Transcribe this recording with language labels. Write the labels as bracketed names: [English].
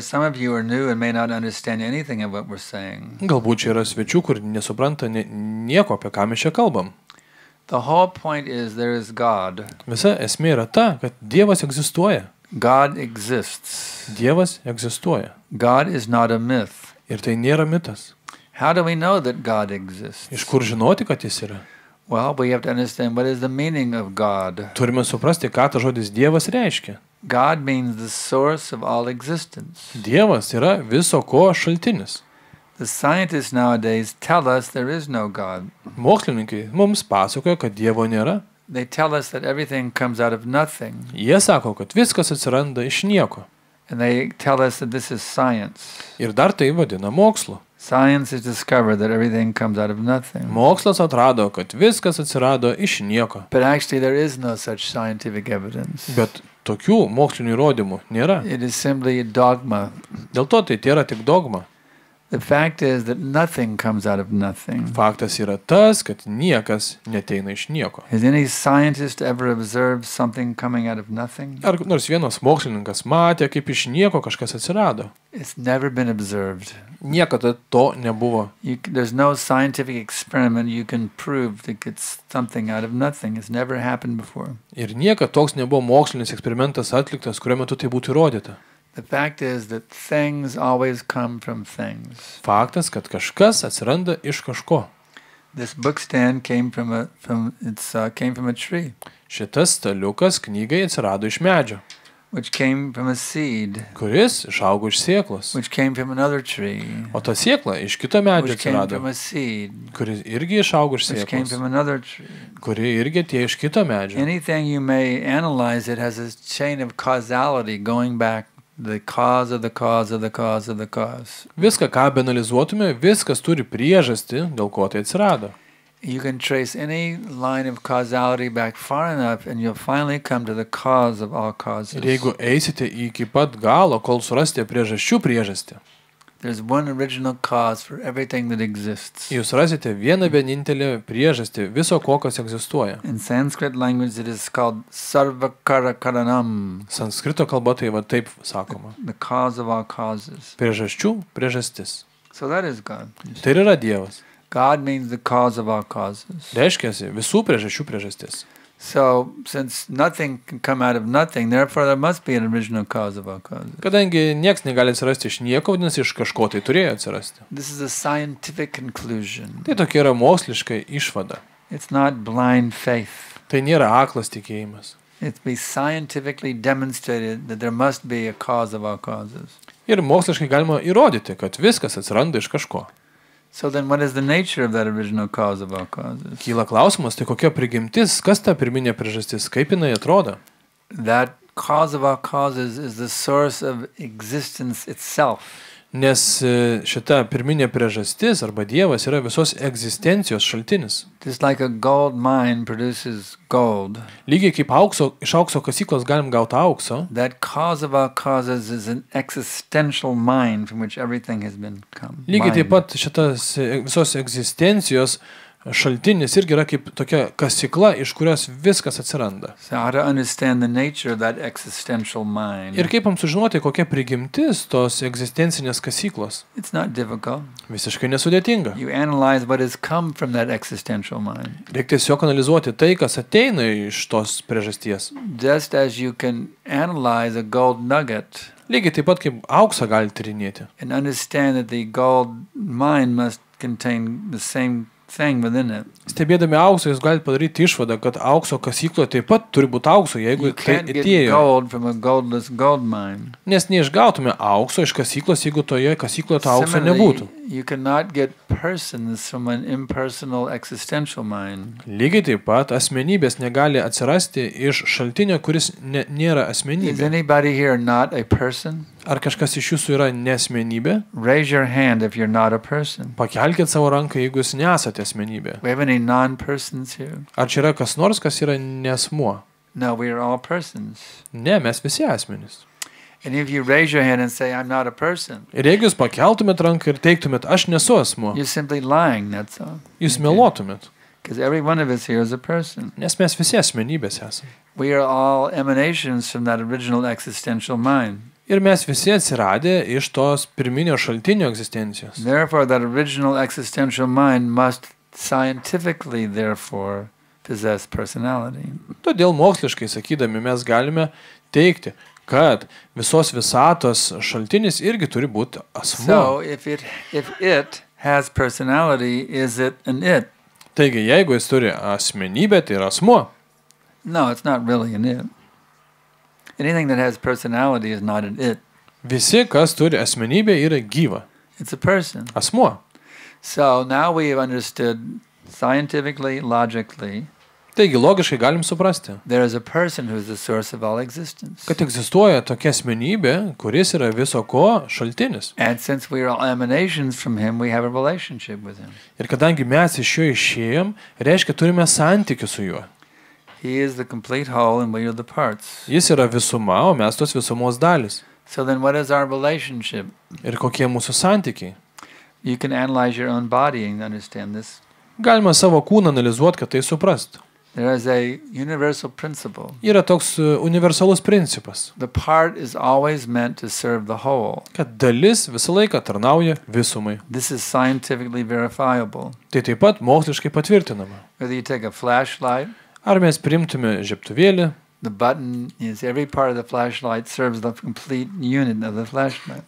[English] Some of you are new and may not understand anything of what we're saying. [Lithuanian] Galbūt čia yra svečių, kur nesupranta nieko, apie ką mes čia kalbam. [English] The whole point is there is God. [Lithuanian] Visa esmė yra ta, kad Dievas egzistuoja. [English] God exists. [Lithuanian] Dievas egzistuoja. [English] God is not a myth. [Lithuanian] Ir tai nėra mitas. [English] How do we know that God exists? [Lithuanian] Iš kur žinoti, kad jis yra? [English] Well, we have to understand what is the meaning of God. [Lithuanian] Turime suprasti, ką ta žodis Dievas reiškia. [English] God means the source of all existence. [Lithuanian] Dievas yra viso ko šaltinis. [English] The scientists nowadays tell us there is no God. [Lithuanian] Mokslininkai mums pasakoja, kad Dievo nėra. [English] They tell us that everything comes out of nothing. [Lithuanian] Jie sako, kad viskas atsiranda iš nieko. [English] And they tell us that this is science. [Lithuanian] Ir dar tai vadina mokslu. [English] Science has discovered that everything comes out of nothing. [Lithuanian] Mokslas atrado, kad viskas atsirado iš nieko. [English] But actually there is no such scientific evidence. [Lithuanian] Bet tokių mokslinių įrodymų nėra. [English] It is simply a dogma. [Lithuanian] Dėl to tai yra tik dogma. [English] The fact is that nothing comes out of nothing. [Lithuanian] Faktas yra tas, kad niekas neteina iš nieko. [English] Has any scientist ever observed something coming out of nothing? [Lithuanian] Ar nors vienas mokslininkas matė, kaip iš nieko kažkas atsirado? [English] It's never been observed. [Lithuanian] Niekada to nebuvo. [English] There's no scientific experiment you can prove that it's something out of nothing. It's never happened before. [Lithuanian] Ir niekada toks nebuvo mokslinis eksperimentas atliktas, kurio metu tai būtų įrodyta. [English] The fact is that things always come from things. [Lithuanian] Faktas, kad kažkas atsiranda iš kažko. [English] This book stand came from a tree. [Lithuanian] Šitas staliukas knygai atsirado iš medžio. [English] Which came from a seed. [Lithuanian] Kuris išaugo iš sėklos. [English] Which came from another tree. [Lithuanian] O ta sėkla iš kito medžio [English] which [Lithuanian] atsirado. [English] Came from a seed. [Lithuanian] Kuris irgi išaugo iš sėklos. [English] Which came from another tree. [Lithuanian] Kuri irgi atėjo iš kito medžio. [English] Anything you may analyze it has a chain of causality going back. The cause of the cause of the cause of the cause. [Lithuanian] Viską, ką benalizuotume, viskas turi priežastį, dėl ko tai atsirado. [English] You can trace any line of causality back far enough and you'll finally come to the cause of all causes. [Lithuanian] Ir jeigu eisite iki pat galo, kol surasite priežasčių priežastį. [English] There's one original cause for everything that exists. [Lithuanian] Jūs rasite vieną vienintelį priežastį viso ko, kas egzistuoja. [English] In Sanskrit language it is called sarvakara karanam. [Lithuanian] Sanskrito kalba tai va taip sakoma. [English] The cause of all causes. [Lithuanian] Priežasčių priežastis. [English] So that is God. [Lithuanian] Tai yra Dievas. [English] God means the cause of all causes. [Lithuanian] Reiškiasi visų priežasčių priežastis. [English] So since nothing can come out of nothing, therefore there must be an original cause of all causes. [Lithuanian] Kadangi nieks negali atsirasti iš nieko, nes iš kažko tai turėjo atsirasti. [English] This is a scientific conclusion. [Lithuanian] Tai tokia yra moksliška išvada. [English] It's not blind faith. [Lithuanian] Tai nėra aklas tikėjimas. [English] It be scientifically demonstrated that there must be a cause of all causes. [Lithuanian] Ir moksliškai galima įrodyti, kad viskas atsiranda iš kažko. [English] So then what is the nature of that original cause of all causes? [Lithuanian] Kyla klausimas, tai kokia prigimtis, kas ta pirminė priežastis, kaip jinai atrodo? [English] That cause of all causes is the source of existence itself. [Lithuanian] Nes šita pirminė priežastis arba Dievas yra visos egzistencijos šaltinis. [English] Just like a gold mine produces gold. [Lithuanian] Lygiai kaip aukso, iš aukso kasyklos galim gauti aukso. [English] That cause of our causes is an existential mine from which everything has been come. [Lithuanian] Lygiai taip pat šitas visos egzistencijos šaltinis irgi yra kaip tokia kasykla, iš kurios viskas atsiranda. [English] So how to understand the nature of that existential mind. [Lithuanian] Ir kaip mums sužinoti, kokia prigimtis tos egzistencinės kasyklos? [English] It's not difficult. [Lithuanian] Visiškai nesudėtinga. [English] You analyze what has come from that existential mind. [Lithuanian] Reikia tiesiog analizuoti tai, kas ateina iš tos priežasties. [English] Just as you can analyze a gold nugget. [Lithuanian] Lygiai taip pat kaip auksą gali tyrinėti. [English] And understand that the gold mine must contain the same thing within it. [Lithuanian] Stebėdami aukso, jūs galite padaryti išvadą, kad aukso kasykloje taip pat turi būti aukso, jeigu tai atėjo. [English] Gold from a goldless gold mine. [Lithuanian] Nes neišgautume aukso iš kasyklos, jeigu toje kasykloje to aukso nebūtų. [English] You cannot get persons from an impersonal existential mind. [Lithuanian] Lygiai taip pat asmenybės negali atsirasti iš šaltinio, kuris nėra asmenybė. [English] Is anybody here not a person? [Lithuanian] Ar kažkas iš jūsų yra nesmenybė? [English] Raise your hand if you're not a person. [Lithuanian] Pakelkit savo ranką, jeigu jūs nesate asmenybė. [English] We have any non-persons here? [Lithuanian] Ar čia yra kas nors, kas yra nesmuo? [English] No, we are all persons. [Lithuanian] Ne, mes visi asmenys. [English] And if you raise your hand and say I'm not a person. [Lithuanian] Ir jeigu jūs pakeltumėt ranką ir teiktumėt aš nesu asmuo. [English] You're simply lying, that's all. [Lithuanian] Jūs meluotumėt. [English] Because every one of us here is a person. [Lithuanian] Nes mes visi asmenybės esam. [English] We are all emanations from that original existential mind. [Lithuanian] Ir mes visi atsiradę iš tos pirminio šaltinio egzistencijos. [English] Therefore that original existential mind must scientifically therefore possess personality. [Lithuanian] Todėl moksliškai sakydami mes galime teikti, kad visos visatos šaltinis irgi turi būti asmuo. [English] So if it has personality, is it an it? [Lithuanian] Taigi jeigu jis turi asmenybę, tai yra asmuo. [English] No, it's not really an it. Anything that has personality is not an it. [Lithuanian] Visi, kas turi asmenybę, yra gyva. [English] It's a person. [Lithuanian] Asmuo. [English] So now we have understood scientifically, logically. [Lithuanian] Taigi logiškai galim suprasti. [English] There is a person who is the source of all existence. [Lithuanian] Kad egzistuoja tokia asmenybė, kuris yra viso ko šaltinis. [English] And since we are all emanations from him, we have a relationship with him. [Lithuanian] Ir kadangi mes iš jo išėjom, reiškia turime santykių su juo. [English] He is the complete whole and we are the parts. [Lithuanian] Jis yra visuma, o mes tos visumos dalis. [English] So then what is our relationship? [Lithuanian] Ir kokie mūsų santykiai? [English] You can analyze your own body and understand this. [Lithuanian] Galima savo kūną analizuoti, kad tai suprast. [English] There is a universal principle. [Lithuanian] Yra toks universalus principas. [English] The part is always meant to serve the whole. [Lithuanian] Kad dalis visą laiką tarnauja visumai. [English] This is scientifically verifiable. [Lithuanian] Tai taip pat moksliškai patvirtinama. [English] Whether you take a flashlight, [Lithuanian] ar mes priimtume žiebtuvėlį? [English] The button is every part of the flashlight serves the complete unit of the flashlight.